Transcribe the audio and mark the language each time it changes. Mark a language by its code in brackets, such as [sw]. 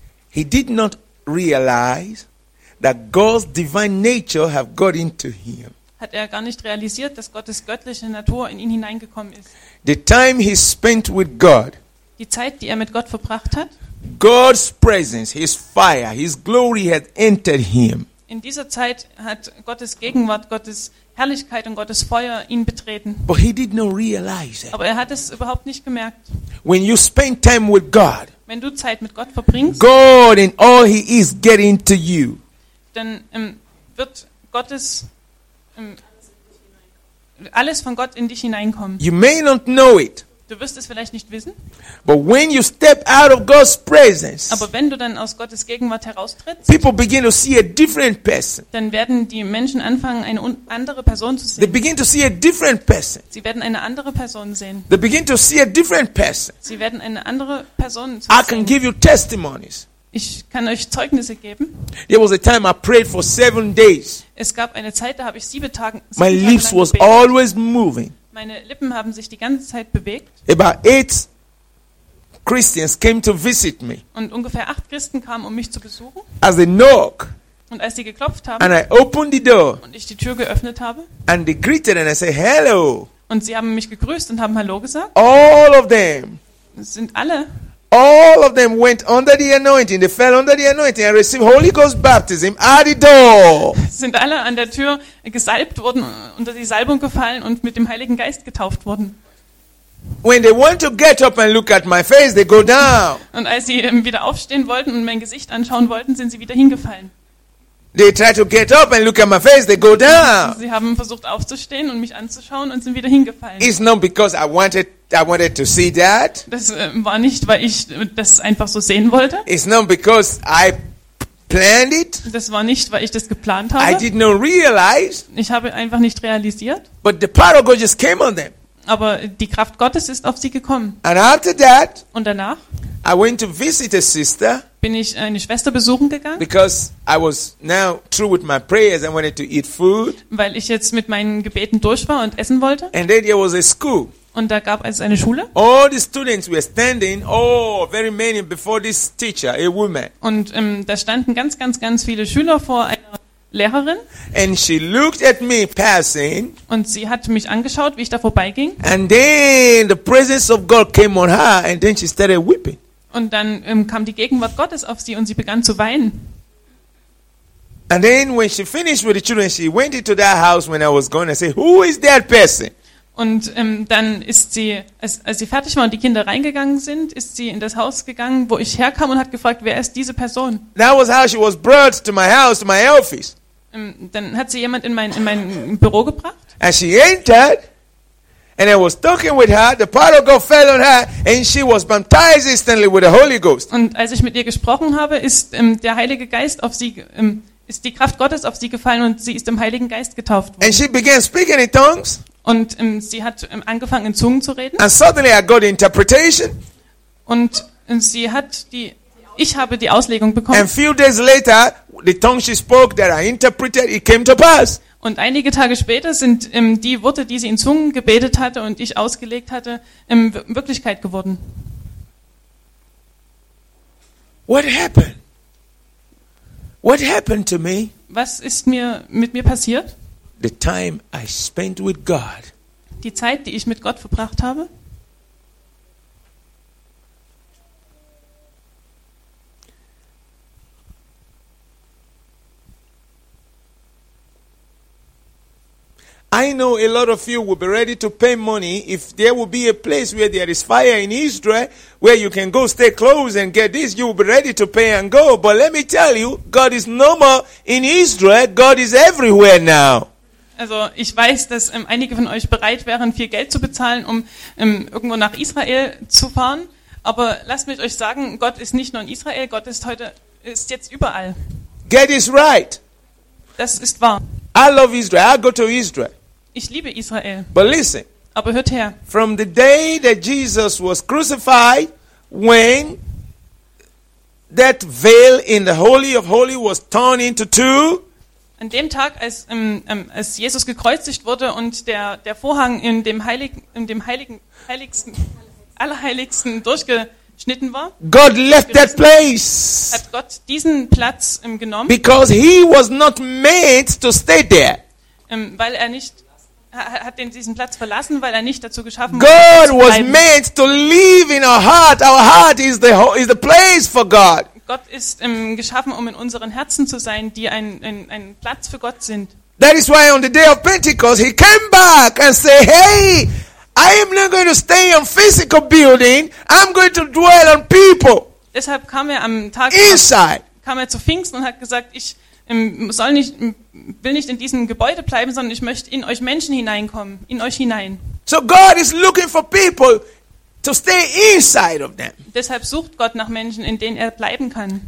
[en] He did not realize that God's divine nature have got into him. [de] Hat er gar nicht realisiert, dass Gottes göttliche Natur in ihn hineingekommen ist. [en] The time he spent with God. [de] Die Zeit, die er mit Gott verbracht hat. [en] God's presence, his fire, his glory had entered him. [de] In dieser Zeit hat Gottes Gegenwart, Gottes Herrlichkeit und Gottes Feuer ihn betreten. [en] But he did not realize it. [de] Aber er hat es überhaupt nicht gemerkt. [en] When you spend time with God, [de] wenn du Zeit mit Gott verbringst, [en] God and all he is get into you. [de] Dann wird Gottes alles von Gott in dich hineinkommen. [en] You may not know it. [de] Du wirst es vielleicht nicht wissen. [en] But when you step out of God's presence, [de] aber wenn du dann aus Gottes Gegenwart heraustrittst, [en] people begin to see a different person. [de] Dann werden die Menschen anfangen, eine andere Person zu sehen. [en] They begin to see a different person. [de] Sie werden eine andere Person sehen. [en] They begin to see a different person. [de] Sie werden eine andere Person zu sehen. [en] I can give you testimonies. [de] Ich kann euch Zeugnisse geben. [en] There was a time I prayed for 7 days. [de] Es gab eine Zeit, da habe ich 7 Tage. [en] My lips was always moving. [de] Meine Lippen haben sich die ganze Zeit bewegt. [en] About 8 Christians came to visit me. [de] Und ungefähr 8 Christen kamen, um mich zu besuchen. [en] As they knock. [de] Und als sie geklopft haben. [en] And I opened the door. [de] Und ich die Tür geöffnet habe. [en] And they greeted and I said hello. [de] Und sie haben mich gegrüßt und haben Hallo gesagt. [en] All of them. [de] Sind alle. [en] All of them went under the anointing. They fell under the anointing and received Holy Ghost baptism at the door. [de] Sind alle an der Tür gesalbt worden, unter die Salbung gefallen und mit dem Heiligen Geist getauft worden. [en] When they want to get up and look at my face, they go down. [de] Und als sie wieder aufstehen wollten und mein Gesicht anschauen wollten, sind sie wieder hingefallen. [en] They try to get up and look at my face, they go down. [de] Sie haben versucht aufzustehen und mich anzuschauen und sind wieder hingefallen. [en] It's not because I wanted to see that. [de] Das war nicht, weil ich das einfach so sehen wollte. [en] It's not because I planned it. [de] Das war nicht, weil ich das geplant habe. [en] I did not realize. [de] Ich habe einfach nicht realisiert. [en] But the power of God just came on them. [de] Aber die Kraft Gottes ist auf sie gekommen. [en] And after that, [de] und danach, [en] I went to visit a sister. [de] Bin ich eine Schwester besuchen gegangen? [en] Because I was now through with my prayers and wanted to eat food. [de] Weil ich jetzt mit meinen Gebeten durch war und essen wollte. [en] And then there was a school. [de] Und da gab es eine Schule. [en] All the students were standing, oh, very many before this teacher, a woman. [de] Und da standen ganz, ganz, ganz viele Schüler vor einer Lehrerin. [en] And she looked at me passing. [de] Und sie hat mich angeschaut, wie ich da vorbeiging. [en] And then the presence of God came on her, and then she started weeping. [de] Und dann kam die Gegenwart Gottes auf sie und sie begann zu weinen. [en] And then when she finished with the children, she went into that house when I was gone and said, "Who is that person?" [de] Und dann ist sie, als sie fertig war und die Kinder reingegangen sind, ist sie in das Haus gegangen, wo ich herkam, und hat gefragt, wer ist diese Person? [en] That was how she was brought to my house, to my office. [de] Dann hat sie jemand in mein Büro gebracht. [en] And she entered, and I was talking with her. The power of God fell on her, and she was baptized instantly with the Holy Ghost. [de] Und als ich mit ihr gesprochen habe, ist der Heilige Geist auf sie, ist die Kraft Gottes auf sie gefallen, und sie ist im Heiligen Geist getauft worden. [en] And she began speaking in tongues. [de] Und sie hat angefangen, in Zungen zu reden. [en] And suddenly I got interpretation. [de] Und sie hat die, ich habe die Auslegung bekommen. [en] And few days later, the tongue she spoke that I interpreted, it came to pass. [de] Und einige Tage später sind die Worte, die sie in Zungen gebetet hatte und ich ausgelegt hatte, in Wirklichkeit geworden. [en] What happened? What happened to me? [de] Was ist mit mir passiert? [en] The time I spent with God. [de] Die Zeit, die ich mit Gott verbracht habe. [en] I know a lot of you will be ready to pay money if there will be a place where there is fire in Israel where you can go stay close and get this. You will be ready to pay and go. But let me tell you, God is no more in Israel. God is everywhere now. [de] Also ich weiß, dass einige von euch bereit wären, viel Geld zu bezahlen, um irgendwo nach Israel zu fahren. Aber lasst mich euch sagen, Gott ist nicht nur in Israel, Gott ist heute, ist jetzt überall. [en] Get is right. [de] Das ist wahr. [en] I love Israel. I go to Israel. [de] Ich liebe Israel. [en] But listen. [de] Aber hört her. [en] From the day that Jesus was crucified, when that veil in the Holy of Holy was torn into two. [de] An dem Tag, als Jesus gekreuzigt wurde und der Vorhang in dem Allerheiligsten durchgeschnitten war. [en] God left that place. [de] Hat Gott diesen Platz genommen? [en] Because he was not made to stay there. [de] Weil er nicht hat diesen Platz verlassen, weil er nicht dazu geschaffen [en] God [de] war. [en] God was made to live in our heart. Our heart is the place for God. [de] Gott ist geschaffen, um in unseren Herzen zu sein, die ein Platz für Gott sind. [en] That is why on the day of Pentecost he came back and said, "Hey, I am not going to stay on physical building. I'm going to dwell on people." [de] Deshalb kam er am Tag [en] inside. [de] Kam er zu Pfingsten und hat gesagt, ich will nicht in diesem Gebäude bleiben, sondern ich möchte in euch Menschen hineinkommen, in euch hinein. [en] So God is looking for people to stay inside of them. [de] Deshalb sucht Gott nach Menschen, in denen er bleiben kann.